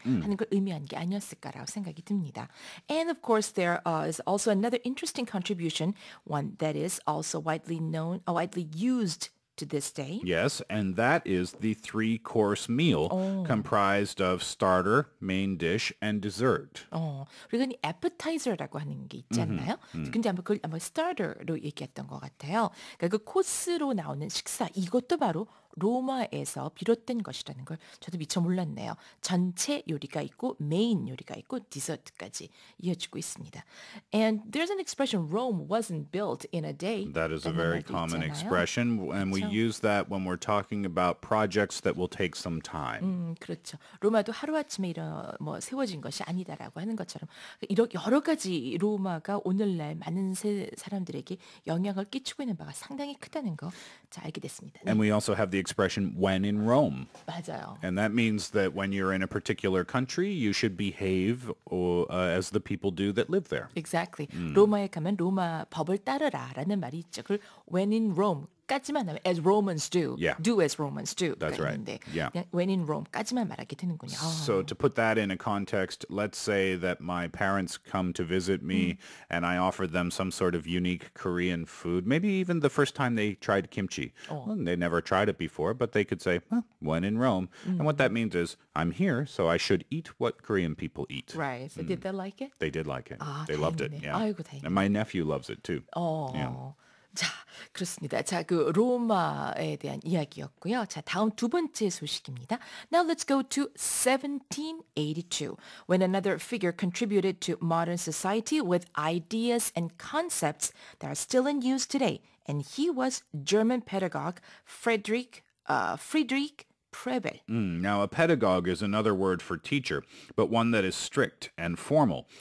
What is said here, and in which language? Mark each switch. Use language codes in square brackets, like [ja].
[ko] 하는 걸 의미한 게 아니었을까라고 생각이 듭니다. [en] And of course, there is also another interesting contribution, one that is also widely known, widely used to this day. Yes, and that is the three-course meal comprised of starter, main dish, and dessert. [ko] 우리가 appetizer라고 하는 게 있잖아요. 근데 아마 그걸 아마 starter로 얘기했던 것 같아요. 그러니까 그 코스로 나오는 식사, 이것도 바로 로마에서 비롯된 것이라는 걸 저도 미처 몰랐네요. 전체 요리가 있고 메인 요리가 있고 디저트까지 이어지고 있습니다. [en] And there's an expression, Rome wasn't built in a day. That is a very common [ko] 있잖아요. [en] expression, and [ko] 그렇죠. [en] we use that when we're talking about projects that will take some time. [ko] 그렇죠. 로마도 하루아침에 뭐 세워진 것이 아니다라고 하는 것처럼 이렇게 여러 가지 로마가 오늘날 많은 사람들에게 영향을 끼치고 있는 바가 상당히 크다는 거 자, 알게 됐습니다. [en] And we also have the expression when in Rome. [ko] 맞아요. [en] And that means that when you're in a particular country, you should behave as the people do that live there. Exactly. [ko] 로마에 가면 로마 법을 따르라라는 말이 있죠. [en] When in Rome, [ko] 까지만 하면 [en] as Romans do. Yeah. Do as Romans do. That's right. Yeah. When in Rome [ko] 까지만 말하게 되는군요. [en] So to put that in a context, let's say that my parents come to visit me and I offered them some sort of unique Korean food. Maybe even the first time they tried kimchi. Oh. Well, they never tried it before, but they could say, well, when in Rome. And what that means is, I'm here, so I should eat what Korean people eat. Right. So did they like it? They did like it. They loved it. Yeah. [ko] 아이고, 다행이네. [en] And my nephew loves it too. Oh. Yeah. [ko] 자, 그렇습니다. 자, 그 로마에 대한 이야기였고요. 자, 다음 두 번째 소식입니다. [en] Now let's go to 1782, when another figure contributed to modern society with ideas and concepts that are still in use today. And he was German pedagogue Friedrich Froebel. Now, a pedagogue is another word for teacher, but one that is strict and formal.